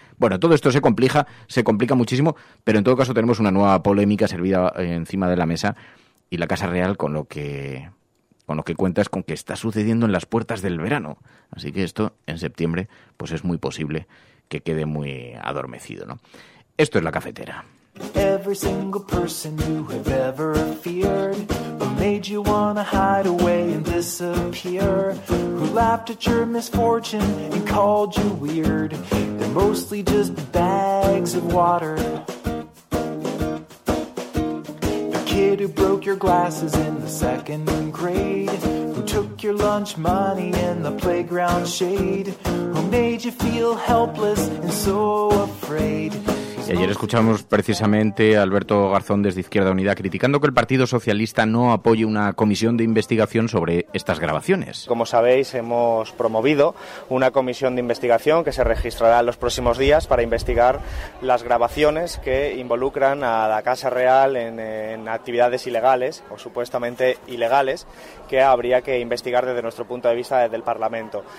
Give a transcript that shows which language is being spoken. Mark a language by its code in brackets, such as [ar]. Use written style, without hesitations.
[es] Bueno, todo esto se complica muchísimo, pero en todo caso tenemos una nueva polémica servida encima de la mesa y la Casa Real con lo que cuentas con que está sucediendo en las puertas del verano. Así que esto, en septiembre, pues es muy posible que quede muy adormecido, ¿no? Esto es La Cafetera. [en] Every single person you have ever feared, who made you wanna hide away and disappear, who laughed at your misfortune and called you weird, they're mostly just bags of water. The kid who broke your glasses in the second grade, who took your lunch money in the playground shade, who made you feel helpless and so afraid. [es] Y ayer escuchamos precisamente a Alberto Garzón desde Izquierda Unida criticando que el Partido Socialista no apoye una comisión de investigación sobre estas grabaciones. Como sabéis, hemos promovido una comisión de investigación que se registrará en los próximos días para investigar las grabaciones que involucran a la Casa Real en actividades ilegales o supuestamente ilegales que habría que investigar desde nuestro punto de vista desde el Parlamento.